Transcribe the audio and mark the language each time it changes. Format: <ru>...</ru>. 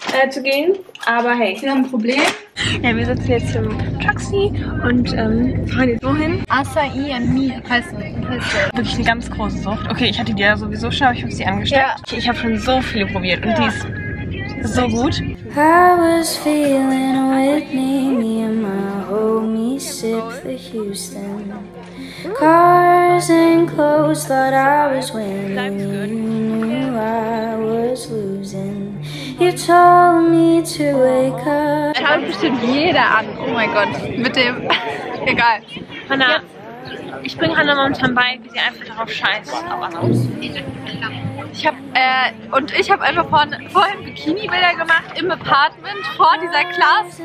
<de>Zu gehen, aber hey. Wir haben ein Problem. Ja, wir sitzen jetzt im Taxi und fahren jetzt wohin? Acai and Me, heißt wirklich eine ganz große Sucht. Okay, ich hatte die ja sowieso schon, aber ich habe sie angesteckt. Ja. Ich habe schon so viele probiert und die ist so gut.</de> <en>I was feeling with me, me and my homie sip the Houston. Cars and clothes thought I was winning, you knew I was losing. You told me to wake up.</en> <de>Schaut bestimmt jeder an. Oh mein Gott. Mit dem. Egal. Hannah. Ja. Ich bringe Hannah momentan bei, wie sie einfach darauf scheißt. Aber ich hab. Und ich hab einfach vorhin Bikini-Bilder gemacht im Apartment vor dieser Class.</de>